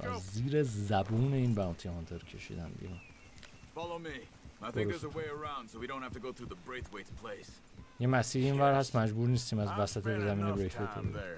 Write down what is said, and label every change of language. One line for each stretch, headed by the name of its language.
Persian: زیر زبون این باونتی هانتر کشیدن دیگه.
English: Follow me. I think there's a way around so we don't have to go through the Braithwaite's place.
Persian: یه مسیر اینور هست، مجبور نیستیم از وسط زمین Braithwaite بریم.